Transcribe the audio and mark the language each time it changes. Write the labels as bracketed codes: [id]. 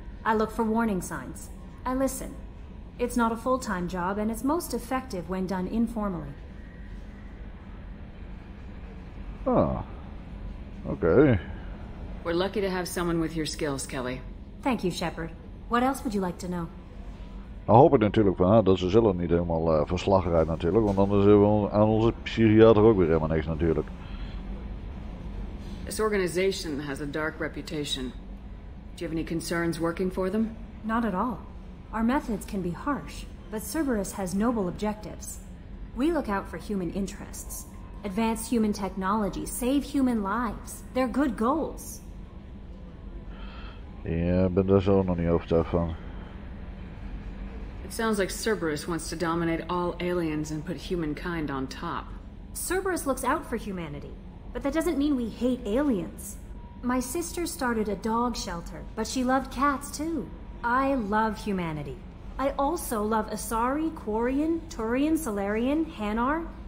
[en] I look for warning signs. I listen. It's not a full-time job, and it's most effective when done informally. Oh. Okay. We're lucky to have someone with your skills, Kelly. Thank you, Shepard. What else would you like to know? [nl] Nou hoop ik natuurlijk van dat ze zelf niet helemaal verslag rijden natuurlijk, want anders hebben we aan onze psychiater ook weer helemaal niks natuurlijk. [en] This organization has a dark reputation. Do you have any concerns working for them? Not at all. Our methods can be harsh, but Cerberus has noble objectives. We look out for human interests. Advance human technology, save human lives. They're good goals. [nl] Ja, ik ben daar zo nog niet overtuigd van. [en] It sounds like Cerberus wants to dominate all aliens and put humankind on top. Cerberus looks out for humanity, but that doesn't mean we hate aliens. My sister started a dog shelter, but she loved cats too. I love humanity. I also love Asari, Quarian, Turian, Salarian, Hanar.